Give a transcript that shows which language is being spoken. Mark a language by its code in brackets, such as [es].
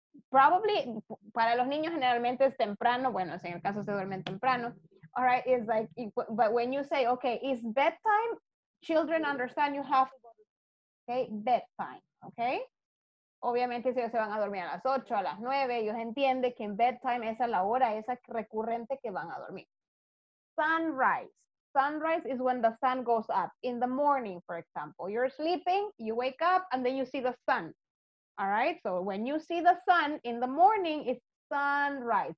[en] Probably, [es] para los niños generalmente es temprano, bueno, en el caso se duermen temprano. [en] All right? It's like, but when you say, okay, it's bedtime, children understand you have to go to sleep. Okay? Bedtime. Okay? [es] Obviamente, si ellos se van a dormir a las 8, a las 9, ellos entienden que en bedtime esa es la hora, esa recurrente que van a dormir. [en] Sunrise. Sunrise is when the sun goes up. In the morning, for example, you're sleeping, you wake up, and then you see the sun. All right? So when you see the sun in the morning, it's sunrise.